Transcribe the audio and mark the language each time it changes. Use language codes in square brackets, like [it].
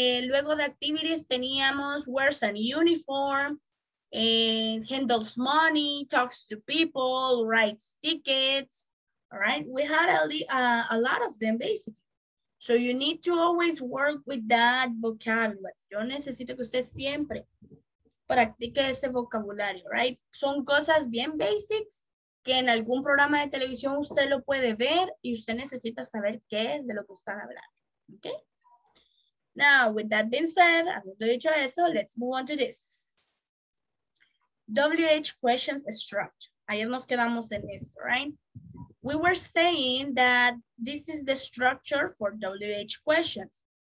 [es] Luego de [en] activities [es] teníamos [en] wears a uniform, handles money, talks to people, writes tickets. All right. We had a lot of them basically. So you need to always work with that vocabulary. [es] Yo necesito que usted siempre practique ese vocabulario. [en] Right. [es] Son cosas bien basics que en algún programa de televisión usted lo puede ver y usted necesita saber qué es de lo que están hablando. [en] Okay. Now, with that being said, [es] habiendo dicho eso, [en] let's move on to this. [es] WH questions structure. Ayer nos quedamos en esto, [en] right? We were saying that this is the structure for WH questions.